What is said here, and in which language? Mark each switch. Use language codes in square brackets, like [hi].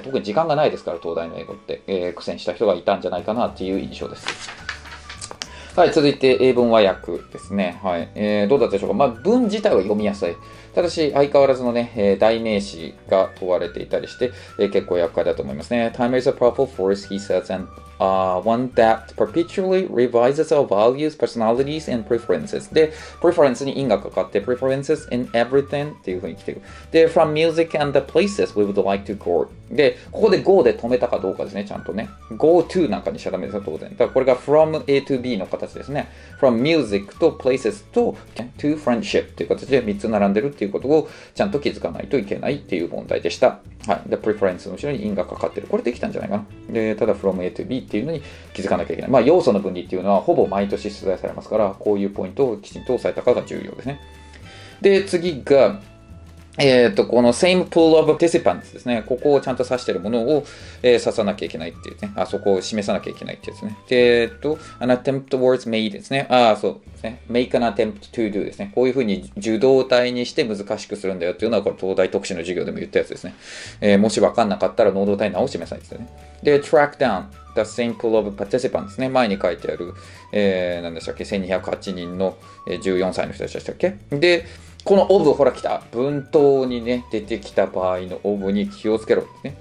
[ja] 特に時間がないですから、東大の英語って、苦戦した人がいたんじゃないかなっていう印象です。はい、続いて英文和訳ですね。はい、どうだったでしょうか。まあ、文自体は読みやすい。ただし、相変わらずのね、代名詞が問われていたりして、結構厄介だと思いますね。 [en] Time is a powerful force, he says, and、one that perpetually revises our values, personalities, and preferences. [ja] で、preference に因がかかって、 [en] preferences in everything [ja] っていう風に来ている。 [en] で、from music and the places we would like to go. [ja] で、ここで go で止めたかどうかですね、ちゃんとね。go to なんかにしちゃダメですよ、当然。だからこれが from A to B の形ですね。from music と places と to friendship っていう形で3つ並んでるっていうことをちゃんと気づかないといけないっていう問題でした。はい。で、preference の後ろに因がかかってる。これできたんじゃないかな。で、ただ from A to B っていうのに気づかなきゃいけない。まあ、要素の分離っていうのはほぼ毎年出題されますから、こういうポイントをきちんと押さえたかが重要ですね。で、次が、この [en] same pool of participants [ja] ですね。ここをちゃんと指しているものを、指さなきゃいけないっていうね。あそこを示さなきゃいけないっていうですね。で、 [en] an attempt towards made ですね。 [ja] ああ、そうですね。 [en] make an attempt to do [ja] ですね。こういうふうに受動態にして難しくするんだよっていうのは、これ東大特殊の授業でも言ったやつですね。もしわかんなかったら能動態に直しなさいですね。 [en] で、track down the same pool of participants [ja] ですね。前に書いてある、何でしたっけ ?1208 人の14歳の人たちでしたっけ。で、この of ほら来た。文頭にね、出てきた場合の of に気をつけろ、ね。